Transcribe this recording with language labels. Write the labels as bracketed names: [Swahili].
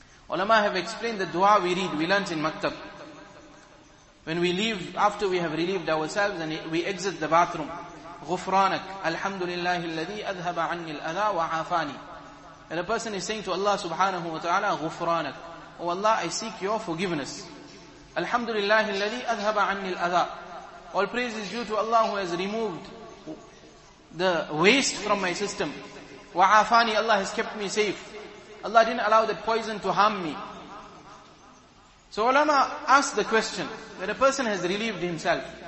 [English] Ulama have explained the dua we read, we learnt in maktab. When we leave, after we have relieved ourselves and we exit the bathroom, [Arabic] غفرانك الحمد لله الذي أذهب عني الأذى وعافاني. [English] And a person is saying to Allah subhanahu wa ta'ala, غفرانك. Oh Allah, I seek your forgiveness. [Arabic] الحمد لله الذي أذهب عني الأذى. [English] All praise is due to Allah who has removed the waste from my system. [Arabic] وعافاني, [English] Allah has kept me safe. Allah didn't allow that poison to harm me. So ulama asked the question, that a person has relieved himself.